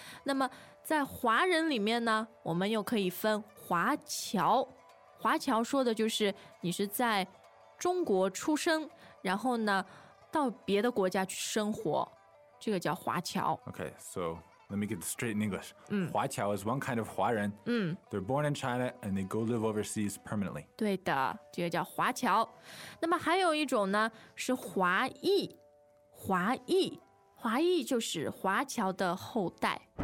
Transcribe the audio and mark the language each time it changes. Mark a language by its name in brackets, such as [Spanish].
[Chinese] 那么在华人里面呢，我们又可以分华侨。华侨说的就是你是在中国出生，然后呢到别的国家去生活，这个叫华侨。 [English] Okay, so let me get straight in English. 华侨 is one kind of 华人。 They're born in China and they go live overseas permanently. [Chinese] 对的，这个叫华侨。那么还有一种呢是华裔，华裔，华裔就是华侨的后代。